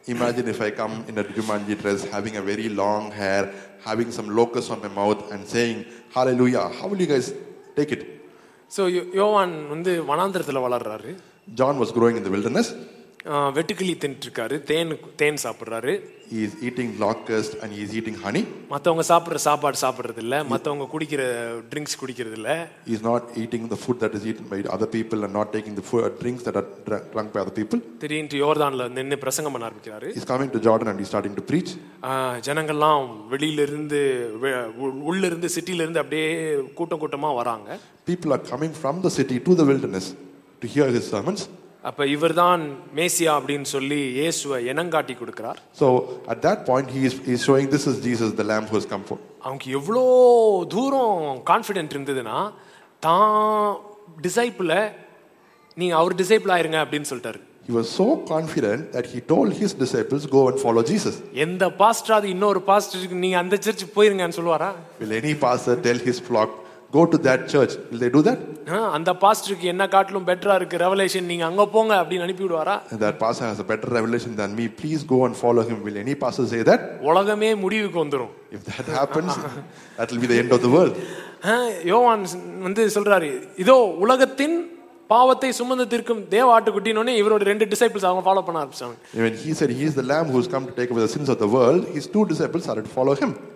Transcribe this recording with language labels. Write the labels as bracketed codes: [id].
[en] Imagine if I come in a Jumanji dress, having a very long hair, having some locusts on my mouth and saying hallelujah, how will you guys take it? [ta] So யோவான் வந்து வனாந்திரத்தில் வளர்றாரு. [en] John was growing in the wilderness. [ta] வெட்டுக்கிளி தின்னுட்டு இருக்காரு, தேன் சாப்பிட்றாரு. [en] He is eating locust and he is eating honey. [ta] மத்தவங்க சாப்பிடுற சாப்பாடு சாப்பிடுறது இல்ல, மத்தவங்க குடிக்கிற ட்ரிங்க்ஸ் குடிக்கிறது இல்ல. [en] He is not eating the food that is eaten by other people and not taking the drinks that are drunk by other people. [ta] திரும்பி யோர்தான்ல நின்னு பிரசங்கம் பண்ண ஆரம்பிக்கிறாரு. [en] He is coming to Jordan and he is starting to preach. [ta] ஜனங்கள் எல்லாம் வெளியில இருந்து உள்ள இருந்து சிட்டில இருந்து அப்படியே கூட்டம் கூட்டமா வராங்க. [en] People are coming from the city to the wilderness to hear his sermons. [ta] அப்ப இவர்தான் மேசியா அப்படினு சொல்லி இயேசுவை எனங்காட்டி கொடுக்கிறார். [en] So at that point he is showing this is Jesus the lamb who has come for. [ta] அவங்க எவ்ளோ தூரம் கான்ஃபிடன்ட் இருந்ததுனா தான் டிசைபிள நீ அவர் டிசைபிள் ஆயிருங்க அப்படினு சொல்றாரு. [en] He was so confident that he told his disciples go and follow Jesus. [ta] எந்த பாஸ்டரா இன்னொரு பாஸ்டருக்கு நீ அந்த search போயிருங்கன்னு சொல்வாரா? [en] Will any pastor tell his flock go to that church, will they do that? [ta] அந்த பாஸ்டருக்கு என்ன காட்டிலும் பெட்டரா இருக்கு ரெவலேஷன், நீங்க அங்க போங்க அப்படி அனுப்பி விடுவாரா? [en] That pastor has a better revelation than me, please go and follow him. Will any pastor say that? [ta] உலகமே முடிவுக்கு வந்துரும். [en] If that happens, that will be the end of the world. [ta] யோவான் வந்து சொல்றாரு, இதோ உலகத்தின் பாவத்தை சுமந்து தீர்க்கும் தேவ ஆட்டுக்குட்டினே இவரோட ரெண்டு டிசைபிள்ஸ் அவங்க ஃபாலோ பண்ண ஆரம்பிச்சாங்க. [en] When he said he is the lamb who has come to take away the sins of the world, his two disciples started to follow him.